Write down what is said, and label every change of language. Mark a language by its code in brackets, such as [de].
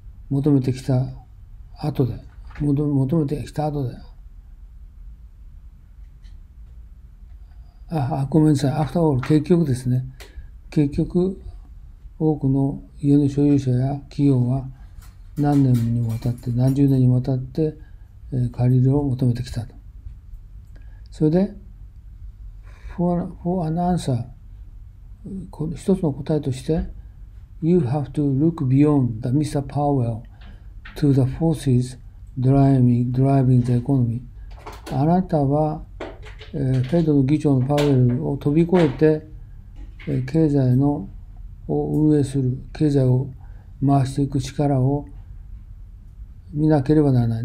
[ja] 求めてきた後で、ごめんなさい、アフターオール、結局ですね、結局、多くの家の所有者や企業は何年にもわたって、何十年にわたって、借り入れを求めてきたと。それで、 [en] for an answer、 [ja] 一つの答えとして、 [en] You have to look beyond the Mr. Powell to the forces driving the economy。 [ja] あなたは、フェドの議長のパウエルを飛び越えて、経済のを運営する、経済を回していく力を見なければならない。